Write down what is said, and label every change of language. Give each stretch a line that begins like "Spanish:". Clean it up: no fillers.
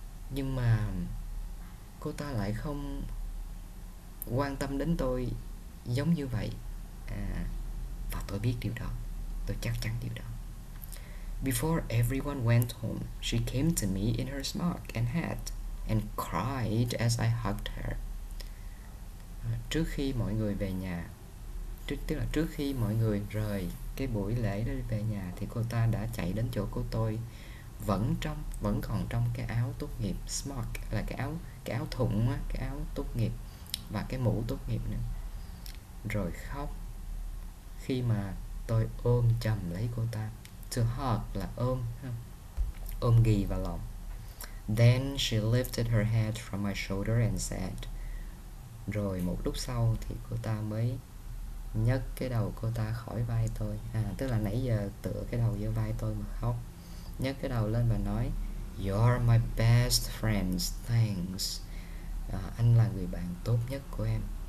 Vietnamese: Nhưng mà cô ta lại không quan tâm đến tôi giống như vậy. Và tôi biết điều đó. Tôi chắc chắn điều đó.
English: Before everyone went home, she came to me in her smock and hat and cried as I hugged her.
Vietnamese: Trước khi mọi người về nhà, tức là trước khi mọi người rời cái buổi lễ đó đi về nhà, thì cô ta đã chạy đến chỗ của tôi, vẫn còn trong cái áo tốt nghiệp, smock là cái áo thụng á, cái áo tốt nghiệp và cái mũ tốt nghiệp nữa, rồi khóc khi mà tôi ôm chầm lấy cô ta. To hug là ôm, ôm ghì vào lòng.
English: Then she lifted her head from my shoulder and said.
Vietnamese: Rồi một lúc sau thì cô ta mới nhấc cái đầu cô ta khỏi vai tôi. Tức là nãy giờ tựa cái đầu vô vai tôi mà khóc. Nhấc cái đầu lên và nói:
English: You're my best friends, thanks.
Vietnamese: Anh là người bạn tốt nhất của em.